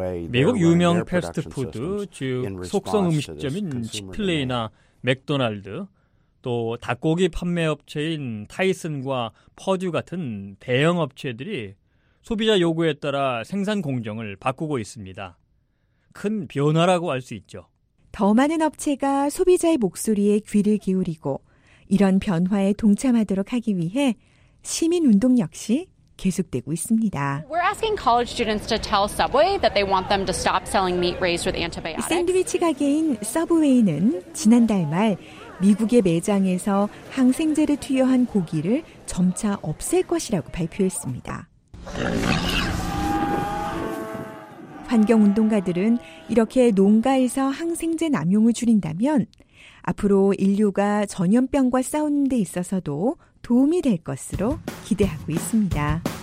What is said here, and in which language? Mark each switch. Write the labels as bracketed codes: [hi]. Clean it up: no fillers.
[ko] 미국 유명 패스트푸드, 즉 속성 음식점인 치플레이나 맥도날드, 또 닭고기 판매업체인 타이슨과 퍼듀 같은 대형 업체들이 소비자 요구에 따라 생산 공정을 바꾸고 있습니다. 큰 변화라고 할 수 있죠. 더 많은 업체가 소비자의 목소리에 귀를 기울이고 이런 변화에 동참하도록 하기 위해 시민운동 역시 계속되고 있습니다. [en] We're asking college students to tell Subway that they want them to stop selling meat raised with antibiotics. [ko] 샌드위치 가게인 서브웨이는 지난달 말 미국의 매장에서 항생제를 투여한 고기를 점차 없앨 것이라고 발표했습니다. 환경운동가들은 이렇게 농가에서 항생제 남용을 줄인다면 앞으로 인류가 전염병과 싸우는 데 있어서도 도움이 될 것으로 기대하고 있습니다.